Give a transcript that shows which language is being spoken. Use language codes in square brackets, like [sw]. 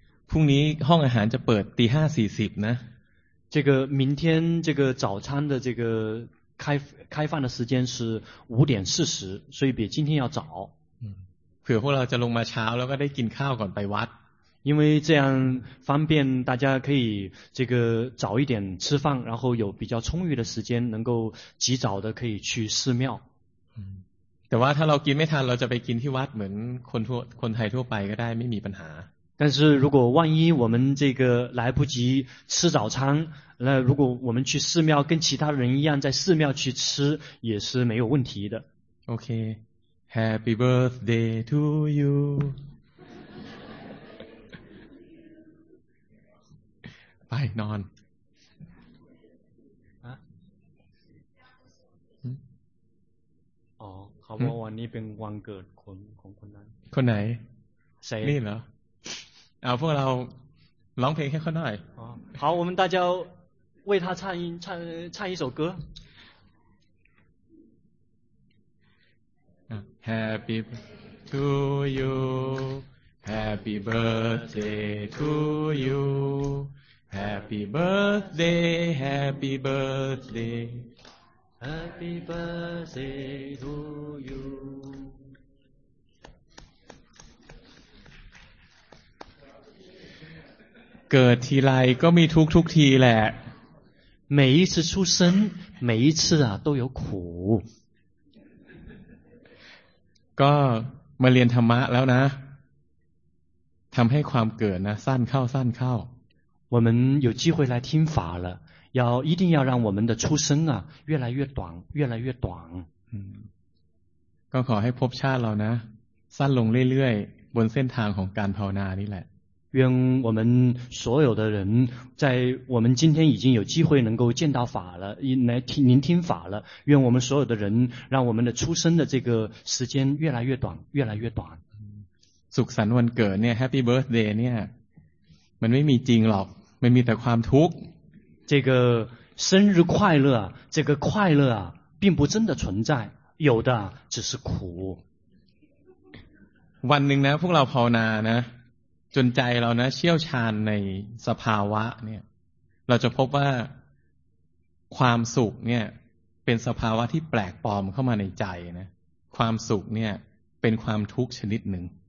[th] พรุ่งนี้ห้องอาหารจะเปิดตีห้าสี่สิบนะ [zh] 这个明天这个早餐的这个开饭的时间是五点四十所以比今天要早 [th] เผื่อพวกเราจะลงมาเช้าแล้วก็ได้กินข้าวก่อนไปวัด [zh] 因为这样方便大家可以这个早一点吃饭然后有比较充裕的时间能够及早的可以去寺庙 [th] แต่ว่าถ้าเรากินไม่ทันเราจะไปกินที่วัดเหมือนคนไทยทั่วไปก็ได้ไม่มีปัญหา [zh] 但是如果万一我们这个来不及吃早餐那如果我们去寺庙跟其他人一样在寺庙去吃也是没有问题的 [en] OK Happy birthday to you Bye non [th] เขาบอกวันนี้เป็นวันเกิดของคนนั้น คนไหน ใส่นี่เหรอเอาพวกเราร้องเพลงให้เขาหน่อย [zh] อ๋อ好我们大家为他唱一首歌 [en] Happy to you Happy birthday to you Happy birthday Happy birthday Happy birthday to you. [th] เกิดทีไรก็มีทุกทีแหละ [zh] 每一次出生每一次啊都有苦 [th] ก็มาเรียนธรรมะแล้วนะทำให้ความเกิดนะสั้นเข้าสั้นเข้า [zh] 我们有机会来听法了要一定要让我们的出生啊越来越短越来越短 [th] ก็ขอให้ภพชาติเรานะสั้นลงเรื่อยๆบนเส้นทางของการภาวนานี่แหละ [zh] 愿我们所有的人在我们今天已经有机会能够见到法了来听您听法了愿我们所有的人让我们的出生的这个时间越来越短越来越短 [th] สุขสันต์วันเกิดเนี่ย [en] Happy Birthday [th] เนี่ยมันไม่มีจริงหรอกมันมีแต่ความทุกข์ [zh] 这个生日快乐这个快乐并不真的存在有的只是苦 [th] วันหนึ่งนะพวกเราภาวนานะจนใจเรานะเชี่ยวชาญในสภาวะเนี่ยเราจะพบว่าความสุขเนี่ยเป็นสภาวะที่แปลกปลอมเข้ามาในใจนะความสุขเนี่ยเป็นความทุกข์ชนิดหนึ่ง